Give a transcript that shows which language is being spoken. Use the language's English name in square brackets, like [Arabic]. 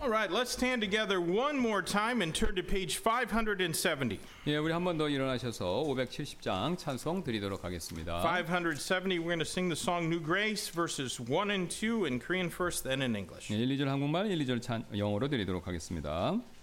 [English] Let's stand together one more time and turn to page 570. [Korean] 예, 우리 한 번 더 일어나셔서 570장 찬송 드리도록 하겠습니다. [English] 570, we're going to sing the song New Grace verses 1 and 2 in Korean first then in English. [Korean] 예, 1, 2절 한국말, 1, 2절 찬 영어로 드리도록 하겠습니다.